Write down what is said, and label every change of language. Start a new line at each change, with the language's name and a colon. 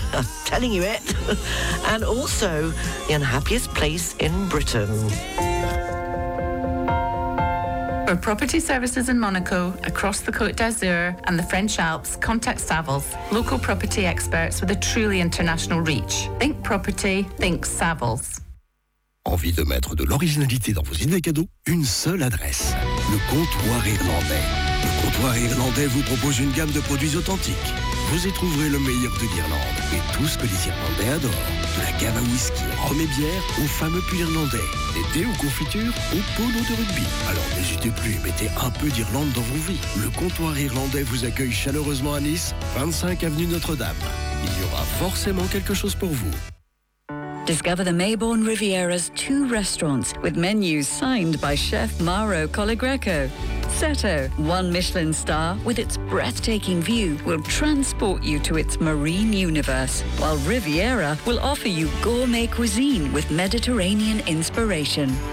English: I'm telling you it. And also, the unhappiest place in Britain. For property services in Monaco, across the Côte d'Azur and the French Alps, contact Savills, local property experts with a truly international reach. Think property, think Savills.
French: Envie de mettre de l'originalité dans vos idées cadeaux? Une seule adresse, le comptoir irlandais. Le comptoir irlandais vous propose une gamme de produits authentiques. Vous y trouverez le meilleur de l'Irlande et tout ce que les Irlandais adorent. De la gamme à whisky, rhum et bière, aux fameux puits irlandais. Des dés ou confitures, aux polos de rugby. Alors n'hésitez plus, mettez un peu d'Irlande dans vos vies. Le comptoir irlandais vous accueille chaleureusement à Nice, 25 avenue Notre-Dame. Il y aura forcément quelque chose pour vous.
English: Discover the Maybourne Riviera's two restaurants with menus signed by chef Mauro Colagreco. Seto, one Michelin star with its breathtaking view, will transport you to its marine universe, while Riviera will offer you gourmet cuisine with Mediterranean inspiration.